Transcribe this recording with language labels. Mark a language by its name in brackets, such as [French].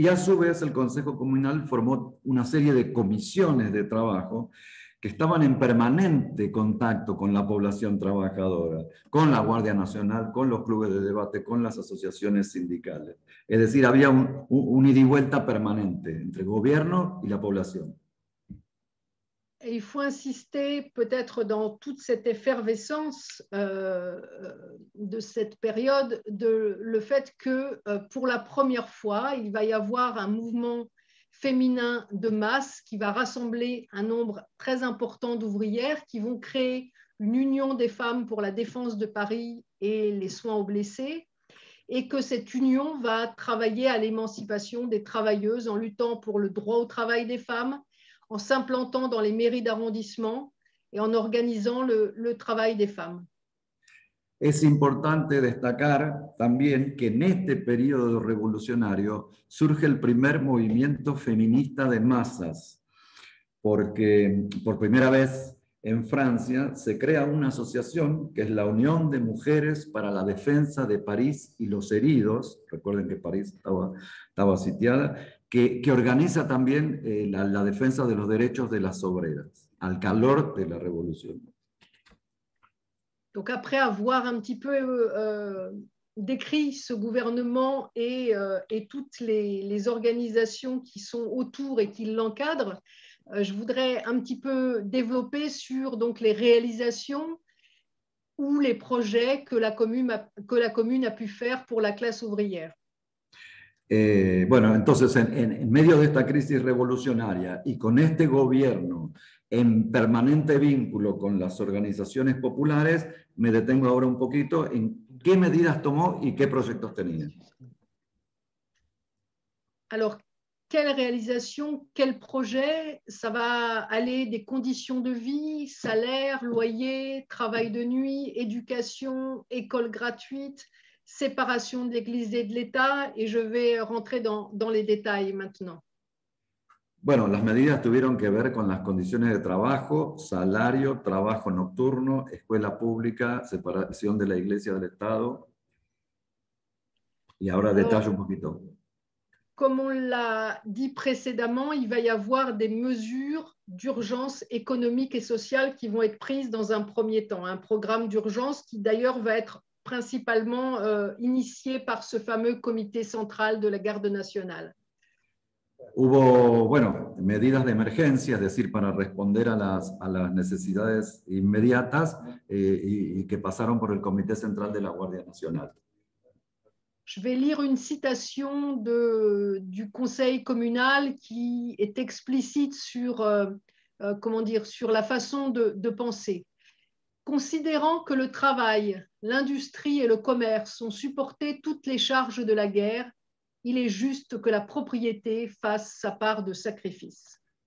[Spanish] Y a su vez el Consejo Comunal formó una serie de comisiones de trabajo que estaban en permanente contacto con la población trabajadora, con la Guardia Nacional, con los clubes de debate, con las asociaciones sindicales. Es decir, había un ida y vuelta permanente entre el gobierno y la población. [French] Il faut insister peut-être dans toute cette effervescence de cette période de le fait que pour la première fois, il va y avoir un mouvement féminin de masse qui va rassembler un nombre très important d'ouvrières qui vont créer une union des femmes pour la défense de Paris et les soins aux blessés et que cette union va travailler à l'émancipation des travailleuses en luttant pour le droit au travail des femmes, en s'implantant dans les mairies d'arrondissement et en organisant le travail des femmes. [Spanish] Es importante destacar también que en este periodo revolucionario surge el primer movimiento feminista de masas, porque por primera vez en Francia se crea una asociación que es la Unión de Mujeres para la Defensa de París y los Heridos, recuerden que París estaba sitiada, que organiza también la defensa de los derechos de las obreras, al calor de la revolución. [French] Donc après avoir un petit peu décrit ce gouvernement et toutes les organisations qui sont autour et qui l'encadrent, je voudrais un petit peu développer sur donc, les réalisations ou les projets que la commune a pu faire pour la classe ouvrière. [Spanish] En medio de esta crisis revolucionaria y con este gobierno en permanente vínculo con las organizaciones populares, me detengo ahora un poquito en qué medidas tomó y qué proyectos tenía. [French] Alors, quelle réalisation, quel projet, ça va aller des conditions de vie, salaire, loyer, travail de nuit, éducation, école gratuite, séparation de l'Église et de l'État, et je vais rentrer dans les détails maintenant. [Spanish] Bueno, las medidas tuvieron que ver con las condiciones de trabajo, salario, trabajo nocturno, escuela pública, separación de la Iglesia del Estado. Y ahora detalle un poquito. Como [French] on l'a dit précédemment, il va y avoir des mesures d'urgence économique et sociale qui vont être prises dans un premier temps. Un programme d'urgence qui d'ailleurs va être principalement initié par ce fameux comité central de la garde nationale. [Spanish] Hubo, bueno, medidas de emergencia, es decir, para responder a las necesidades inmediatas y que pasaron por el Comité Central de la Guardia Nacional. [French] Je vais lire une citation de, du Conseil communal qui est explicite sur, comment dire, sur la façon de penser. Considérant que le travail, l'industrie et le commerce ont supporté toutes les charges de la guerre, il est juste que la propriété fasse sa part de sacrifice.